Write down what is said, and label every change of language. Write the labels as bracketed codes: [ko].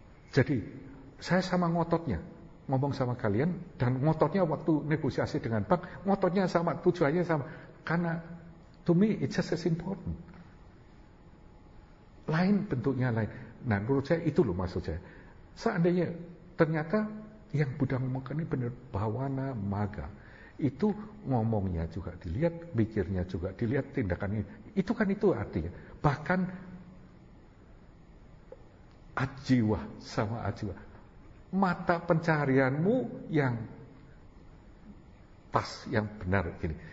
[id] Jadi saya sama ngototnya ngomong sama kalian, dan ngototnya waktu negosiasi dengan bank, ngototnya sama, tujuannya sama. Karena [en] to me it's just as important. [id] Lain bentuknya lain. Nah menurut saya itu loh maksud saya. Seandainya ternyata yang Buddha ngomongkan ini benar, bhavana maga, itu ngomongnya juga dilihat, pikirnya juga dilihat, tindakannya. Itu kan itu artinya. Bahkan ajiwa sama ajiwa, mata pencaharianmu yang pas, yang benar gini.